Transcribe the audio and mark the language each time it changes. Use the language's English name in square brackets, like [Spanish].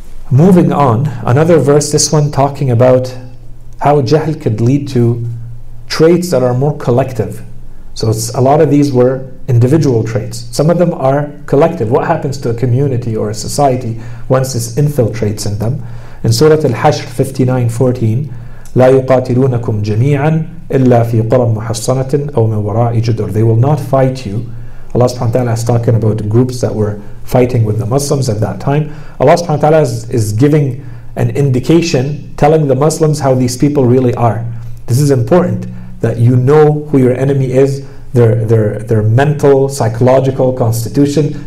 [English] Moving on, another verse, this one talking about how jahl could lead to traits that are more collective. So it's, a lot of these were individual traits. Some of them are collective. What happens to a community or a society once this infiltrates in them? [Arabic] In Surah Al-Hashr 59:14, لا يقاتلونكم جميعا إلا في قرى محصنة أو من وراء جدر. [English] They will not fight you. Allah subhanahu wa ta'ala is talking about groups that were fighting with the Muslims at that time. Allah subhanahu wa ta'ala is giving an indication, telling the Muslims how these people really are. This is important, that you know who your enemy is, their mental, psychological constitution.